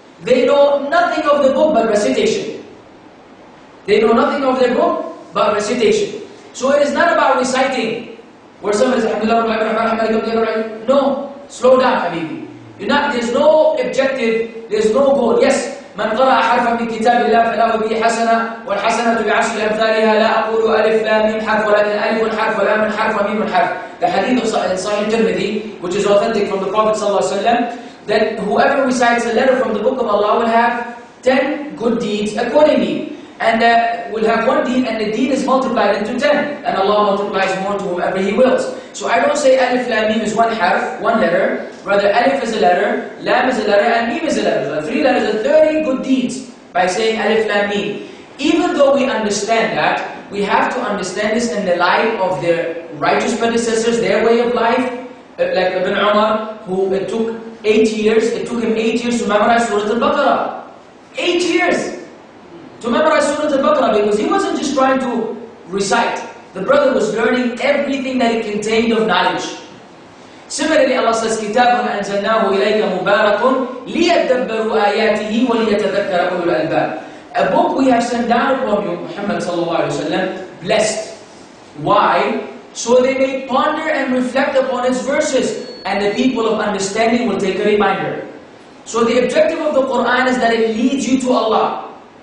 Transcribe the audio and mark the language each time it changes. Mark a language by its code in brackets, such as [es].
[en] They know nothing of the book but recitation. They know nothing of their book but recitation. So it is not about reciting. Where someone says, Alhamdulillah, no, slow down, Habibi. You're not, there's no objective, there's no goal. [ar] Yes, من قرأ حرفا من كتاب الله فله به حسنة والحسنة بعشر أمثالها لا أقول ألف لا ميم حرف ولكن ألف حرف ولا من حرف وميم حرف. [en] The hadith of Sahih Tirmidhi, which is authentic from the Prophet [ar] صلى الله عليه وسلم, [en] that whoever recites a letter from the Book of Allah will have 10 good deeds accordingly. And will have one deed, and the deed is multiplied into 10. And Allah multiplies more to whoever He wills. So I don't say Alif Lam Mim is one harf, one letter. Rather, Alif is a letter, Lam is a letter, and Mim is a letter. So three letters are 30 good deeds by saying Alif Lam Mim. Even though we understand that, we have to understand this in the light of their righteous predecessors, their way of life. Like Ibn Umar, who it took him eight years to memorize Surah Al-Baqarah. 8 years! To memorize Surah Al-Baqarah, because he wasn't just trying to recite. The brother was learning everything that it contained of knowledge. Similarly, Allah says, [ar] كِتَابٌ أَنْزَلْنَاهُ إِلَيْكَ مُبَارَكٌ لِيَتَّبَّرُوا آيَاتِهِ وَلِيَتَذَكَّرَ أُولُو الْأَلْبَابِ. [en] A book we have sent down upon you, Muhammad sallallahu alayhi wa sallam, blessed. Why? So they may ponder and reflect upon its verses, and the people of understanding will take a reminder. So the objective of the Qur'an is that it leads you to Allah.